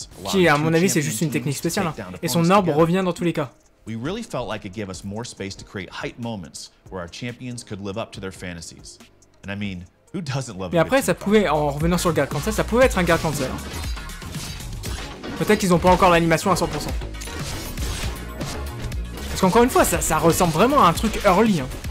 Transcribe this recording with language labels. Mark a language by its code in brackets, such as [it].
[fr] Qui, à mon avis, c'est juste une technique spéciale. Hein. Et son arbre revient dans tous les cas. [en] We really felt like it gave us more space to create hype moments where our champions could live up to their fantasies. And I mean, who doesn't love it? [fr] Mais après, ça pouvait, en revenant sur le guard cancel, ça pouvait être un guard cancel. Peut-être qu'ils n'ont pas encore l'animation à 100%. Parce qu'encore une fois, ça ressemble vraiment à un truc early. Hein.